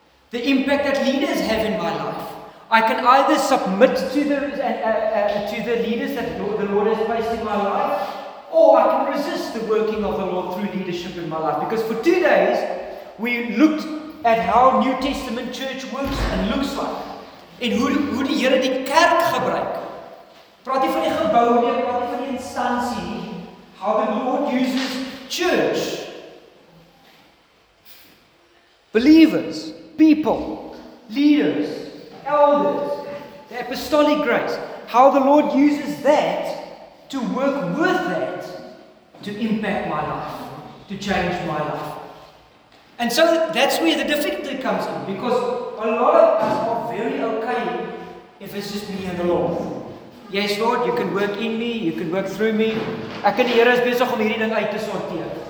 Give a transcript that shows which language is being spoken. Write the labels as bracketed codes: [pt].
[en] The impact that leaders have in my life. I can either submit to the leaders that the Lord has placed in my life, or I can resist the working of the Lord through leadership in my life. Because for 2 days, we looked at how New Testament church works and looks like. [af] En hoe die Here die kerk gebruik. Praat nie van die gebou nie, praat nie van die instansie nie. [en] How the Lord uses church. Believers, people, leaders, elders, the apostolic grace, how the Lord uses that to work with that to impact my life, to change my life. And so that's where the difficulty comes in, because a lot of us are very okay if it's just me and the Lord. Yes, Lord, you can work in me, you can work through me. [af] Ek en die Here is besig om hierdie ding uit te sorteer.